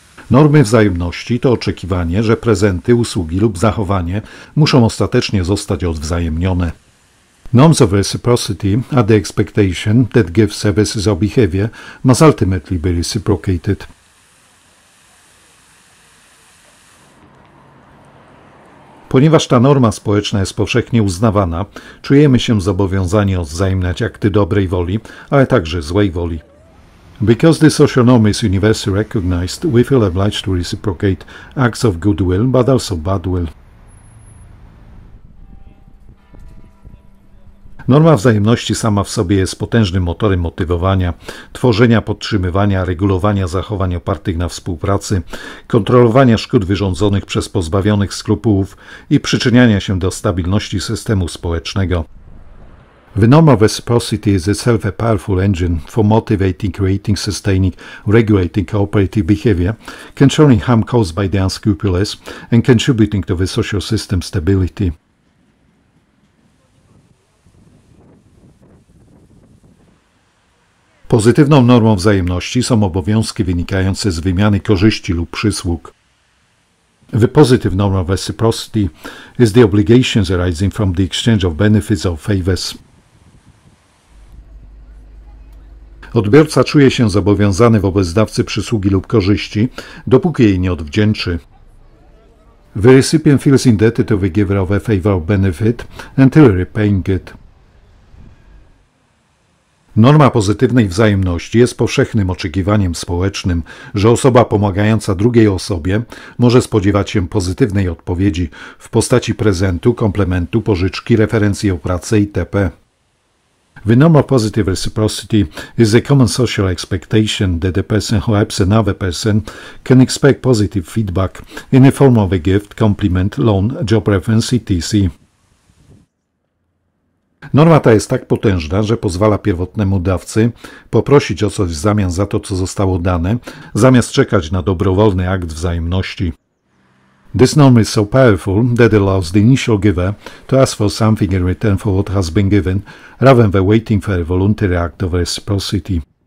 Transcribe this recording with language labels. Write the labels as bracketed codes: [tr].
[pl] Normy wzajemności to oczekiwanie, że prezenty, usługi lub zachowanie muszą ostatecznie zostać odwzajemnione. [en] Norms of reciprocity are the expectation that gifts, services or behavior must ultimately be reciprocated. [pl] Ponieważ ta norma społeczna jest powszechnie uznawana, czujemy się zobowiązani odwzajemniać akty dobrej woli, ale także złej woli. [en] Because the social norm is universally recognized, we feel obliged to reciprocate acts of goodwill, but also badwill. [pl] Norma wzajemności sama w sobie jest potężnym motorem motywowania, tworzenia, podtrzymywania, regulowania zachowań opartych na współpracy, kontrolowania szkód wyrządzonych przez pozbawionych skrupułów i przyczyniania się do stabilności systemu społecznego. [en] The norm of reciprocity is itself a powerful engine for motivating, creating, sustaining, regulating cooperative behavior, controlling harm caused by the unscrupulous and contributing to the social system stability. [pl] Pozytywną normą wzajemności są obowiązki wynikające z wymiany korzyści lub przysług. [en] The positive norm of reciprocity is the obligations arising from the exchange of benefits or favors. [pl] Odbiorca czuje się zobowiązany wobec dawcy przysługi lub korzyści, dopóki jej nie odwdzięczy. [en] The recipient feels indebted to the giver of a favor or benefit until repaying it. [pl] Norma pozytywnej wzajemności jest powszechnym oczekiwaniem społecznym, że osoba pomagająca drugiej osobie może spodziewać się pozytywnej odpowiedzi w postaci prezentu, komplementu, pożyczki, referencji o pracę itp. [en] The norm of positive reciprocity is a common social expectation that the person who helps another person can expect positive feedback in the form of a gift, compliment, loan, job reference, etc. [pl] Norma ta jest tak potężna, że pozwala pierwotnemu dawcy poprosić o coś w zamian za to, co zostało dane, zamiast czekać na dobrowolny akt wzajemności. [en] This norm is so powerful that allows the initial giver to ask for something in return for what has been given, rather than waiting for a voluntary act of reciprocity.